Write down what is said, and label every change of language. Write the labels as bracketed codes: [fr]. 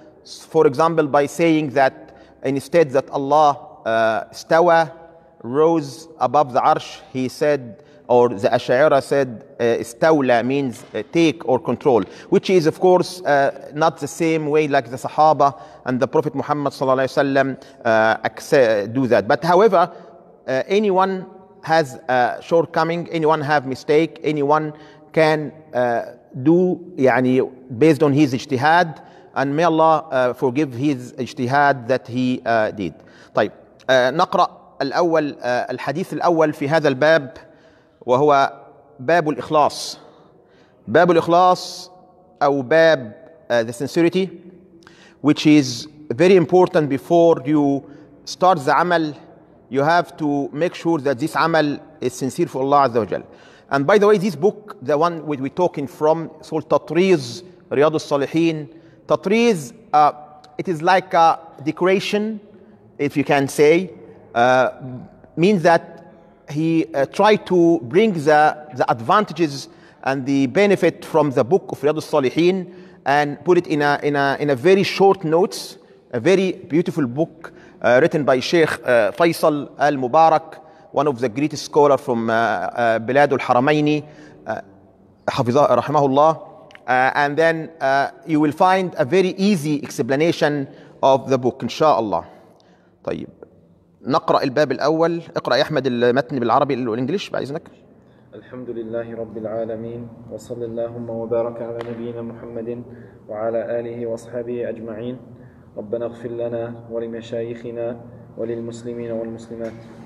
[en] For example, by saying that instead that Allah istawa, rose above the arsh, he said, or the Asha'ira said, istawla means take or control, which is of course not the same way like the Sahaba and the Prophet Muhammad [ar] صلى الله عليه وسلم [en] do that. But however, anyone has a shortcoming, anyone have mistake, anyone can do يعني based on his ijtihad, and may Allah forgive his ijtihad that he did. [ar] طيب نقرأ الأول, الحديث الأول في هذا الباب, وهو باب الإخلاص. باب الإخلاص أو باب [en] the sincerity, which is very important. Before you start the عمل, you have to make sure that this عمل is sincere for Allah Azza wa Jal. And by the way, this book, the one which we're talking from, it's called Tatriz, Riyad al-Salihin. Tatriz, it is like a decoration, if you can say, means that he tried to bring the advantages and the benefit from the book of Riyad al-Salihin and put it in a very short notes, a very beautiful book written by Sheikh Faisal al-Mubarak, one of the greatest scholar from Bilad al-Haramayni, Hafizah rahimahullah. And then you will find a very easy explanation of the book, inshallah. [ar] طيب. نقرأ الباب الأول. اقرأ يا أحمد المتن بالعربي والإنجليش بإذنك. الحمد لله رب العالمين, وصلى اللهم وبارك على نبينا محمد وعلى آله وصحبه أجمعين. ربنا اغفر لنا ولمشايخنا وللمسلمين والمسلمات.